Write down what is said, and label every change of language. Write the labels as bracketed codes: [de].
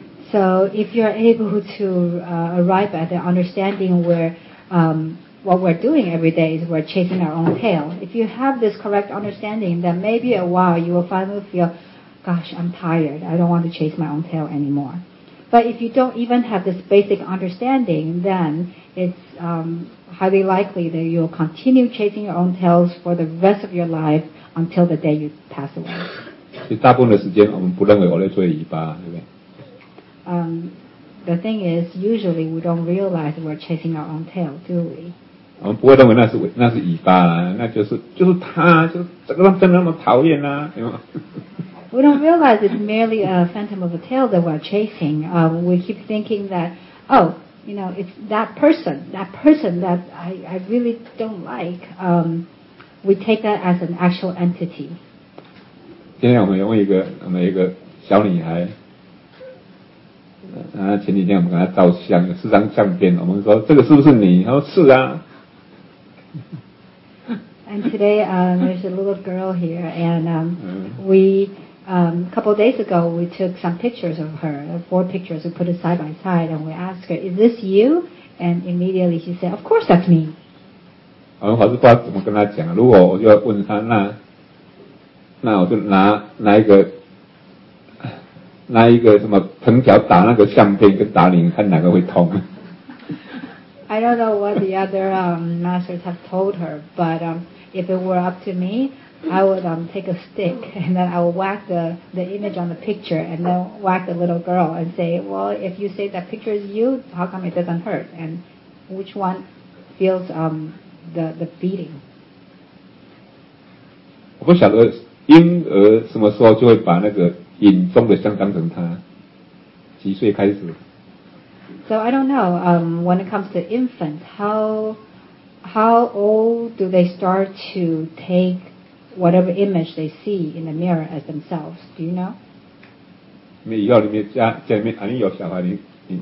[en] So if you are able to arrive at the understanding where what we're doing every day is we're chasing our own tail, if you have this correct understanding, then maybe a while you will finally feel, gosh, I'm tired. I don't want to chase my own tail anymore. But if you don't even have this basic understanding, then it's highly likely that you'll continue chasing your own tails for the rest of your life until the day you pass away. [zh] 大部分的时间我们不认为我在追尾巴，对不对？ [en] The thing is, usually we don't realize we're chasing our own tail, do we? [zh] 我们不会认为那是尾巴啦，那就是他，就是这个真的那么讨厌啊，对吗？ [en] We don't realize it's merely a phantom of a tail that we're chasing. We keep thinking that, oh, you know, it's that person that I really don't like. We take that as an actual entity. [zh] 今天我们有一个小女孩。啊，前几天我们跟他照相，有四张相片。我们说这个是不是你？他说是啊。 [en] And today, there's a little girl here, and we a couple of days ago we took some pictures of her, four pictures we put it side by side, and we asked her, "Is this you?" And immediately she said, "Of course, that's me." [zh] 我们还是不知道怎么跟他讲。如果我就要问他，那我就拿一个。拿一个什么藤条打那个相片跟打你，看哪个会痛。 [en] I don't know what the other masters have told her, but if it were up to me, I would take a stick and then I would whack the image on the picture and then whack the little girl and say, well, if you say that picture is you, how come it doesn't hurt? And which one feels the beating? [zh] 我不晓得婴儿什么时候就会把那个。影中的相当成他几岁开始 [en] So I don't know when it comes to infants how old do they start to take whatever image they see in the mirror as themselves do you know [zh] 你以后你们家里面肯定有小孩你